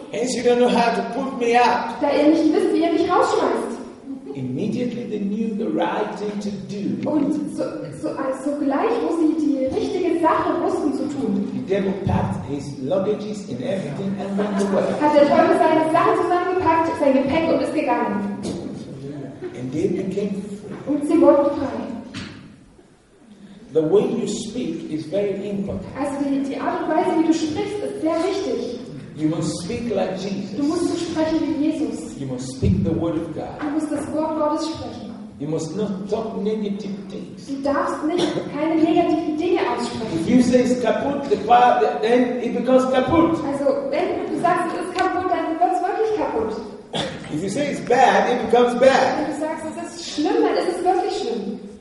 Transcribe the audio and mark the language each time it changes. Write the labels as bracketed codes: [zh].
[en] Hence you don't know how to put me out. [de] Da ihr nicht wisst, wie ihr mich rausschmeißt. [en] Immediately they knew the right thing to do. [de] Und so gleich muss ich die richtige Sache wussten zu tun. [en] The devil packed his luggages and everything and went away. [de] Hat der Teufel seine Sachen zusammengepackt, sein Gepäck und ist gegangen. [en] And they became free. [de] Und sie wurden frei. [en] The way you speak is very important. [de] Also die Art und Weise, wie du sprichst, ist sehr wichtig. [en] You must speak like Jesus. [de] Du musst so sprechen wie Jesus. [en] You must speak the word of God. [de] Du musst das Wort Gottes sprechen. [en] You must not talk negative things. [de] Du darfst nicht keine negativen Dinge aussprechen. [en] If you say it's kaputt, the fire, then it becomes kaputt. [de] Also, wenn du sagst, es ist kaputt, dann wird es wirklich kaputt. [en] If you say it's bad, it becomes bad. [de] Wenn du sagst, es ist schlimm, dann ist es wirklich schlimm.